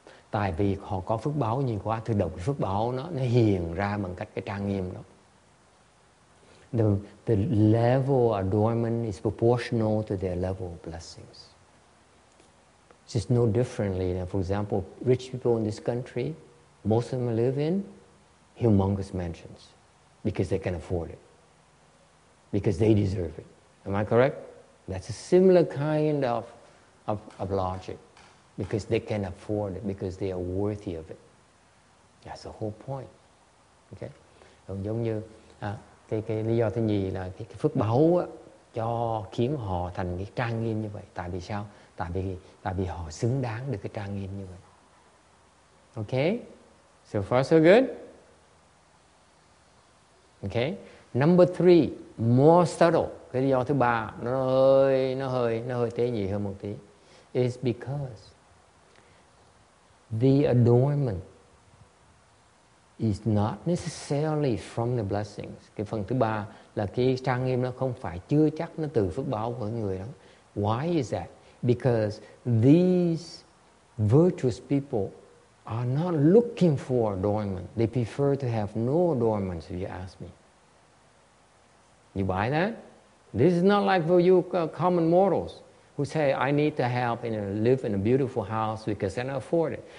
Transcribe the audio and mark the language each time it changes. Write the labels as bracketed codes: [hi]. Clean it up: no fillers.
[vi] Tại vì họ có phước báo nhiều quá, thì đồng phước báo nó hiện ra bằng cách cái trang nghiêm đó. [en] The level of adornment is proportional to their level of blessings. It's just no differently than, for example, rich people in this country. Most of them live in humongous mansions because they can afford it, because they deserve it. Am I correct? That's a similar kind of logic, because they can afford it, because they are worthy of it. That's the whole point. Okay? [vi] Giống như cái lý do thứ nhì là cái phước báu á, cho khiến họ thành cái trang nghiêm như vậy. Tại vì sao? Tại vì họ xứng đáng được cái trang nghiêm như vậy. [en] Okay? So far, so good? Okay. Number three, more subtle. [vi] Cái lý do thứ ba, nó hơi tế nhị hơn một tí. [en] It's because the adornment is not necessarily from the blessings. [vi] Cái phần thứ ba là cái trang nghiêm nó không phải chưa chắc nó từ phước báo của người đó. [en] Why is that? Because these virtuous people are not looking for adornment. They prefer to have no adornments, if you ask me. You buy that? This is not like for you common mortals who say, I need to have and live in a beautiful house because I can afford it.